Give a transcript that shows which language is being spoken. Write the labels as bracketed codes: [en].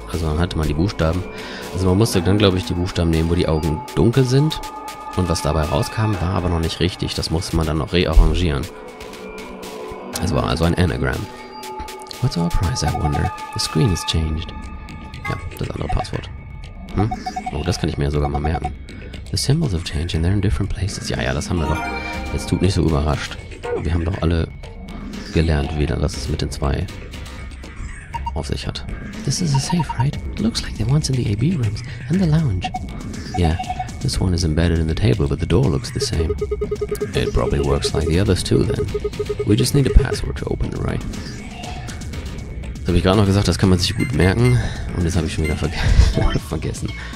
[de] Also dann hatte man die Buchstaben. Also man musste dann, glaube ich, die Buchstaben nehmen, wo die Augen dunkel sind. Und was dabei rauskam, war aber noch nicht richtig. Das musste man dann noch rearrangieren. Es war also ein Anagramm. [en] What's our price, I wonder? The screen has changed. [de] Ja, das andere Passwort. Oh, das kann ich mir ja sogar mal merken. [en] The symbols have changed and they're in different places. [de] Ja, das haben wir doch. Jetzt tut nicht so überrascht. Wir haben doch alle gelernt wieder, dass es mit den 2 auf sich hat. [en] This is a safe, right? It looks like the ones in the AB rooms and the lounge. Yeah. This one is embedded in the table, but the door looks the same. It probably works like the others too, then. We just need a password to open it, right? [de] Das habe ich gerade noch gesagt, das kann man sich gut merken. Und das habe ich schon wieder vergessen.